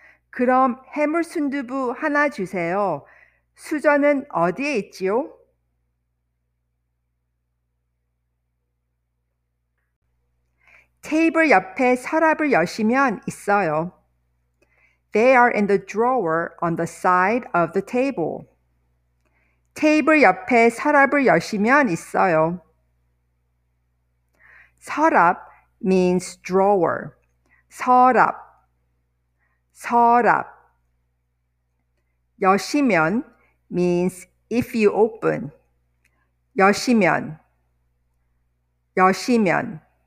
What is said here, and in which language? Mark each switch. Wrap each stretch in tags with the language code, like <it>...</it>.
<ko>그럼 해물 순두부 하나 주세요. 수저는 어디에 있지요? 테이블 옆에 서랍을 여시면 있어요.</ko> <en>They are in the drawer on the side of the table.</en> <ko>테이블 옆에 서랍을 여시면 있어요.</ko> <en>서랍 means drawer. 서랍. 서랍. 여시면 means if you open. 여시면. 여시면.</en>